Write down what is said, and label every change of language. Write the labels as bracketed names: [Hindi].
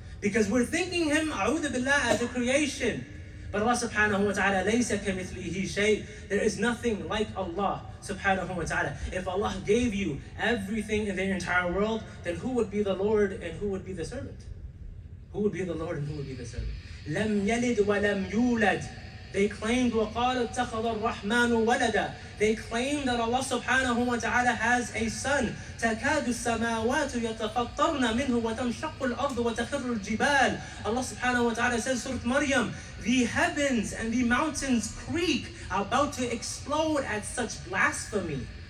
[English] Because we're thinking him, a'udhu billah, as a creation. But Allah subhanahu wa ta'ala, [Arabic] laysa kamithlihi shay'. [English] There is nothing like Allah subhanahu wa ta'ala. If Allah gave you everything in the entire world, then who would be the Lord and who would be the servant? Who would be the Lord and who would be the servant? [Arabic] Lam yalid wa lam yulad. [English] They claimed, [Arabic] وَقَالَ اتَّخَذَ الرَّحْمَنُ وَلَدًا. [English] They claimed that Allah subhanahu wa ta'ala has a son. [Arabic] تَكَادُ السَّمَاوَاتُ يَتَفَطَّرْنَ مِنْهُ وَتَمْشَقُّ الْأَرْضُ وَتَخِرُّ الْجِبَالُ. [English] Allah subhanahu wa ta'ala says, Surah Maryam, the heavens and the mountains creak, about to explode at such blasphemy.